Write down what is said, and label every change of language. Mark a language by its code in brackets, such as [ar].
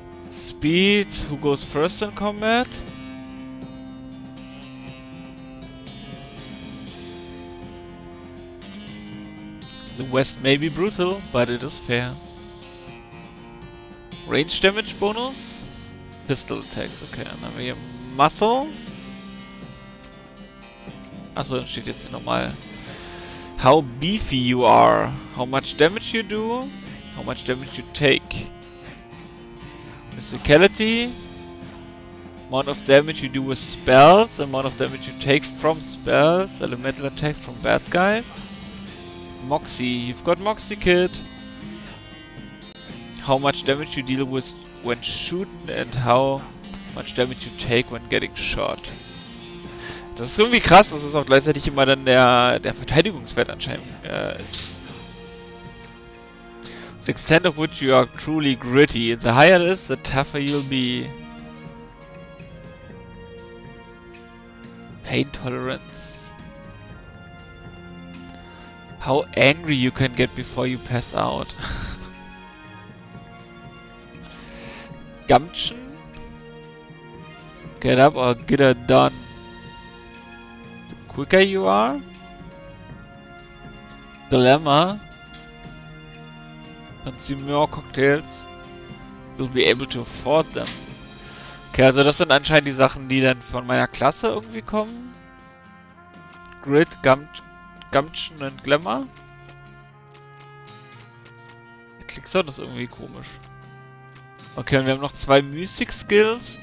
[en] Speed, who goes first in combat? The West may be brutal, but it is fair. Range damage bonus? Pistol attacks, [de] okay, dann haben wir hier Muscle. Achso, dann steht jetzt hier nochmal. [en] How beefy you are. How much damage you do. How much damage you take. Physicality. Amount of damage you do with spells. Amount of damage you take from spells. Elemental attacks from bad guys. Moxie. You've got Moxie, kid. How much damage you deal with when shooting and how much damage you take when getting shot. [de] Das ist irgendwie krass, dass es auch gleichzeitig immer dann der Verteidigungswert anscheinend ist. [en] The extent of which you are truly gritty. The higher it is, the tougher you'll be. Pain tolerance. How angry you can get before you pass out. Gumption? Get up or get it done. The quicker you are, the glamour, consume more cocktails, you'll be able to afford them. [de] Okay, also das sind anscheinend die Sachen, die dann von meiner Klasse irgendwie kommen. Grit, Gumption und Glamour. Der Klicksound ist irgendwie komisch. Okay, und wir haben noch zwei Mystic Skills.